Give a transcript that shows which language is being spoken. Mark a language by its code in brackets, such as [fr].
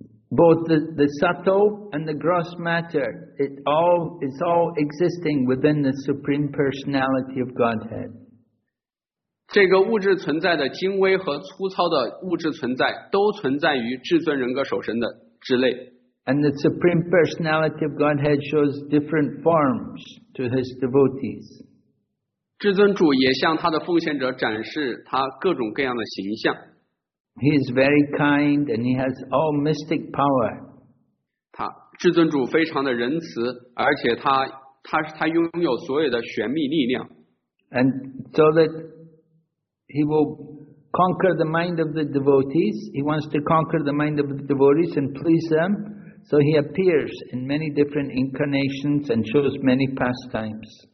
[en] both the subtle and the gross matter, it's all existing within the Supreme Personality of Godhead. [zh] 这个物质存在的精微和粗糙的物质存在都存在于至尊人格守神的之内。 [en] And the Supreme Personality of Godhead shows different forms to his devotees. [zh] 至尊主也向他的奉献者展示他各种各样的形象。 [en] He is very kind and he has all mystic power. [zh] 至尊主非常的仁慈，而且他拥有所有的玄秘力量。 [en] And so that he will conquer the mind of the devotees, he wants to conquer the mind of the devotees and please them, so he appears in many different incarnations and shows many pastimes.